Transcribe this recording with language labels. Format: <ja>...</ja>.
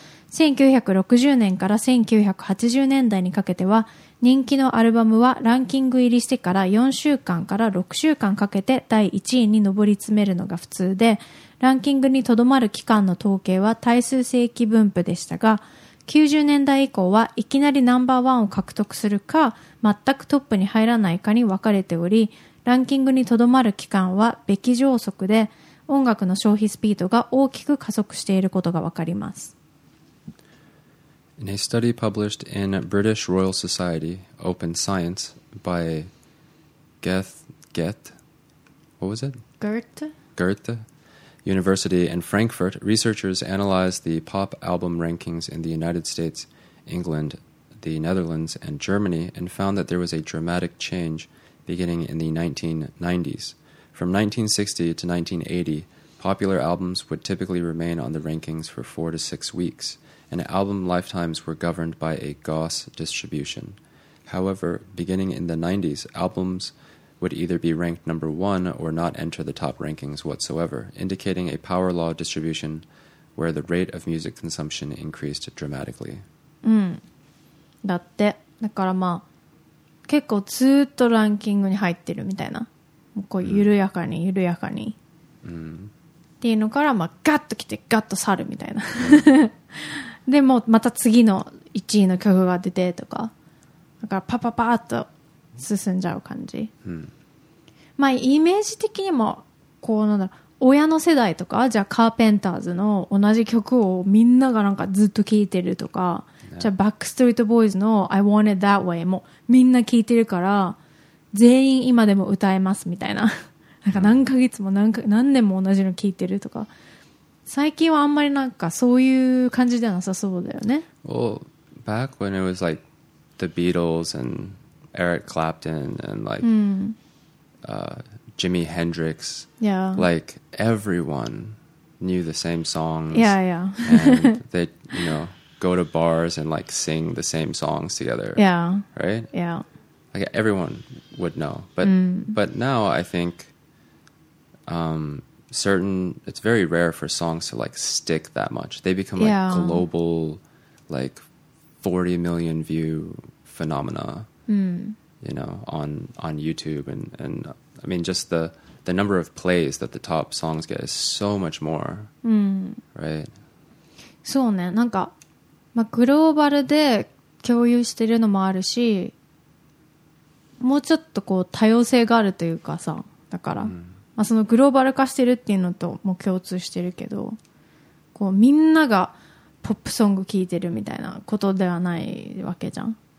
<ja>1960年から1980年代にかけては、人気のアルバムはランキング入りしてから4週間から6週間かけて第1位に上り詰めるのが普通で、ランキングにとどまる期間の統計は対数世紀分布でしたが、90年代以降はいきなりナンバーワンを獲得するか、全くトップに入らないかに分かれており、ランキングにとどまる期間はべき上速で、音楽の消費スピードが大きく加速していることが分かります。</ja> <en>In a study published in British Royal Society Open Science by Goethe University in Frankfurt, researchers analyzed the pop album rankings in the United States, England, the Netherlands, and Germany and found that there was a dramatic change beginning in the 1990s. From 1960 to 1980, popular albums would typically remain on the rankings for 4 to 6 weeks. And album lifetimes were governed by a Gauss distribution. However, beginning in the 90s, albums would either be ranked number one or not enter the top rankings whatsoever, indicating a power law distribution where the rate of music consumption increased dramatically.</en> <ja>うん。だって、だからまあ、結構ずっとランキングに入ってるみたいな。こう緩やかに、緩やかに。っていうのから、まあ、ガッと来てガッと去るみたいな。でもまた次の1位の曲が出てとか、だからパパパーっと進んじゃう感じ。まあイメージ的にもこうなんだろう、親の世代とか、じゃあカーペンターズの同じ曲をみんながなんかずっと聴いてるとか、じゃあバックストリートボーイズの I Want It That Way もみんな聴いてるから全員今でも歌えますみたいな。なんか何ヶ月も 何年も同じの聴いてるとか、最近はあんまりなんかそういう感じではなさそうだよね。</ja> <en>Well, back when it was like the Beatles and Eric Clapton and like、Jimi Hendrix、 yeah. like everyone knew the same songs. Yeah, yeah. And they, you know, go to bars and like sing the same songs together. Yeah. Right? Yeah. Like everyone would know. But,、but now I think、certain, it's very rare for songs to like stick that much. They become like、yeah. global, like 40 million view phenomena,、you know, on YouTube. And I mean, just the number of plays that the top songs get is so much more,、right?</en> <ja>そうね。なんか、まあ、グローバルで共有してるのもあるし、もうちょっとこう多様性があるというかさ、だから、まあ、そのグローバル化してるっていうのとも共通してるけど、こうみんながポップソング聴いてるみたいなことではないわけじゃん。</ja>